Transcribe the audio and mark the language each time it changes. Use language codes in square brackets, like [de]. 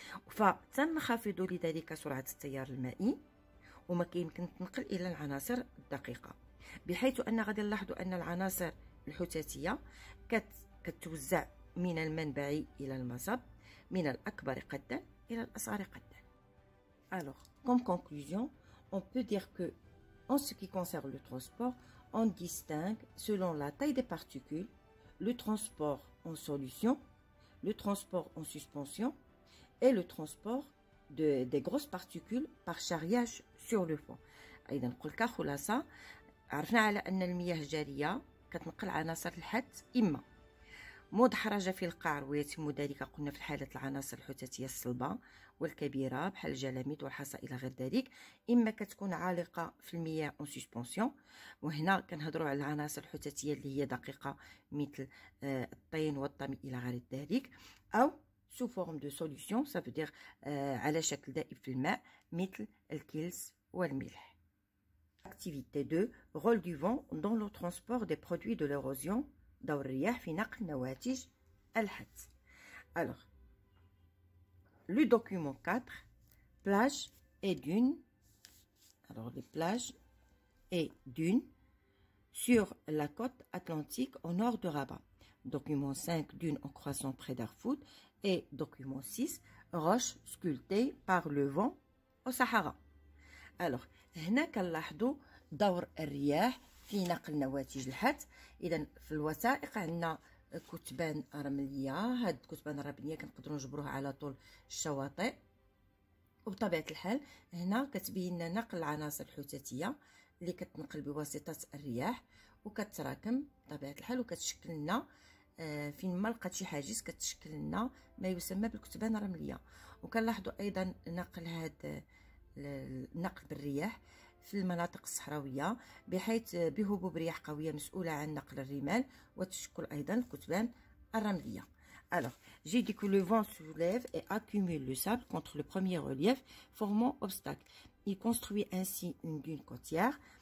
[ar] فتنخفض لذلك سرعة التيار المائي، وما كيمكن تنقل إلى العناصر الدقيقة، بحيث أن غادي نلاحظوا أن العناصر الحثاثية كتوزع من المنبع إلى المصب، من الأكبر قدا إلى الأصغر قدا. [fr] alors comme conclusion on peut dire que en ce qui concerne le transport on distingue selon la taille des particules le transport en solution, le transport en suspension et le transport des grosses particules par charriage sur le fond. [ar] أيضا نقول كخلاصة، عرفنا على أن المياه الجارية كتنقل عناصر الحث إما مود حرجة في القعر، ويتم ذلك قلنا في حالة العناصر الحثاثية الصلبة والكبيرة بحال الجلاميد والحصى إلى غير ذلك، إما كتكون عالقة في المياه [fr] أون سيسبونسيون، [ar] وهنا كنهضرو على العناصر الحثاثية اللي هي دقيقة مثل الطين والطمي إلى غير ذلك، أو [fr] سو فورم دو سوليسيون سافودير [ar] على شكل دائب في الماء مثل الكلس والملح. [fr] Activité 2. Rôle du vent dans le transport des produits de l'érosion. [ar] دور الرياح في نقل نواتج الحث. [fr] Alors, le document 4. Plage et dunes. Alors, les plages et dunes sur la côte atlantique au nord de Rabat. Document 5. Dunes en croissant près d'Erfoud. Et document 6. Roches sculptées par le vent au Sahara. [ar] Alors, هنا كنلاحظوا دور الرياح في نقل نواتج الحث. اذا في الوثائق عندنا كتبان رمليه، هاد الكتبان الرمليه كنقدروا نجبروها على طول الشواطئ، وبطبيعه الحال هنا كتبين لنا نقل العناصر الحثاثيه اللي كتنقل بواسطه الرياح وكتراكم بطبيعه الحال، وكتشكل لنا فين ما لقات شي حاجز كتشكل لنا ما يسمى بالكتبان الرمليه. وكنلاحظوا ايضا نقل هاد النقل بالرياح في المناطق الصحراويه بحيث بهبوب رياح قويه مسؤوله عن نقل الرمال وتشكل ايضا الكتبان الرمليه. [fr] Alors, j'ai dit que le vent soulève et accumule le sable contre le premier relief, formant obstacle. Il construit ainsi une dune côtière.